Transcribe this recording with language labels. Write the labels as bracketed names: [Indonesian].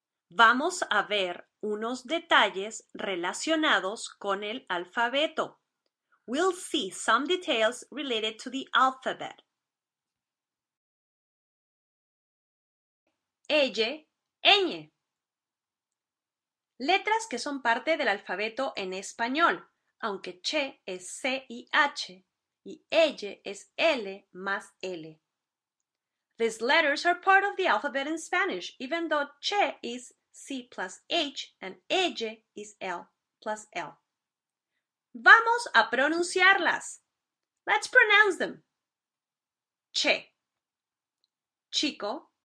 [Spanish] Vamos a ver unos detalles relacionados con el alfabeto. [English] We'll see some details related to the alphabet. [Spanish] Elle, ñe. Letras que son parte del alfabeto en español, aunque che es C y H, y elle es L más L. [English] These letters are part of the alphabet in Spanish, even though che is C plus H and elle is L plus L. [Spanish] Vamos a pronunciarlas. [English] Let's pronounce them. [Spanish] Che. Chico.